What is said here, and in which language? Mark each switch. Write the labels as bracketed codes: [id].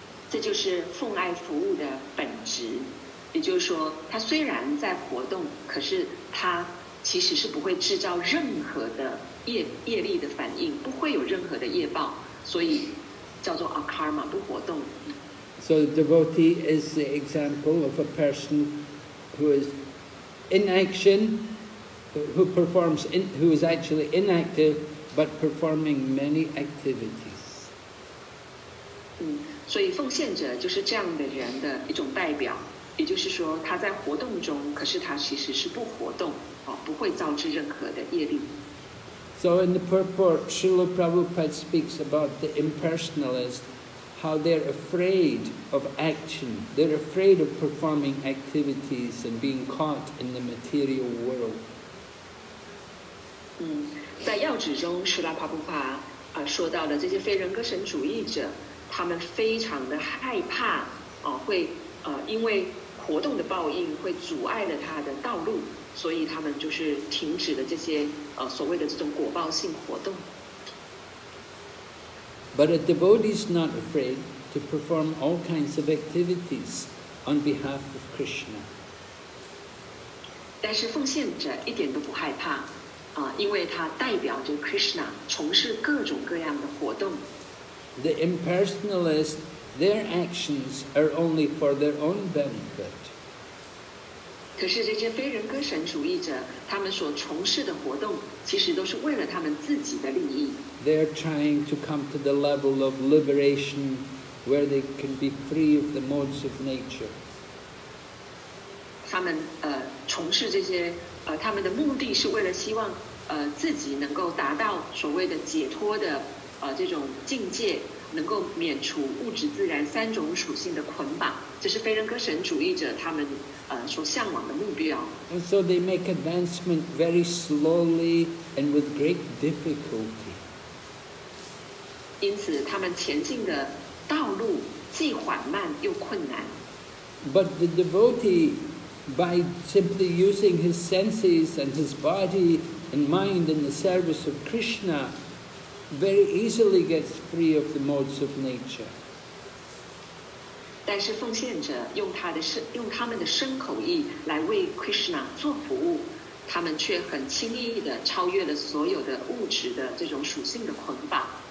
[zh] 这就是奉爱服务的本质，也就是说他虽然在活动，可是他其实是不会制造任何的 业力的反应，不会有任何的业报，所以叫做 akarma 不活动。 [en] So the devotee is the example of a person who is in action, who performs in, who is actually inactive but performing many activities. [zh] 所以奉献者就是这样的人的一种代表，也就是说他在活动中，可是他其实是不活动，不会造致任何的业力。 [en] So in the purport, Srila Prabhupada speaks about the impersonalist, how they're afraid of action, they're afraid of performing activities and being caught in the material world. [zh] 在要旨中，Srila Prabhupada说到了这些非人格神主义者，他们非常的害怕会因为活动的报应会阻碍了他的道路，所以他们就是停止了这些所谓的这种果报性活动。 [en] But a devotee is not afraid to perform all kinds of activities on behalf of Krishna. [zh] 但是奉献者一点都不害怕因为他代表着 Krishna 从事各种各样的活动。 [en] The impersonalist,their actions are only for their own benefit. [zh] 可是这些非人格神主义者，他们所从事的活动其实都是为了他们自己的利益。 [en] They're trying to come to the level of liberation where they can be free of the modes of nature. [zh] 他们从事这些他们的目的是为了希望自己能够达到所谓的解脱的这种境界，能够免除物质自然三种属性的捆绑，这是非人格神主义者他们所向往的目标。 [en] And so they make advancement very slowly and with great difficulty. [zh] 因此他们前进的道路既缓慢又困难。 [en] But the devotee, by simply using his senses and his body and mind in the service of Krishna,very easily gets free of the modes of nature. [zh] 但是奉献者用他们的身口意来为 Krishna 做服务，他们却很轻易地超越了所有的物质的这种属性的捆绑。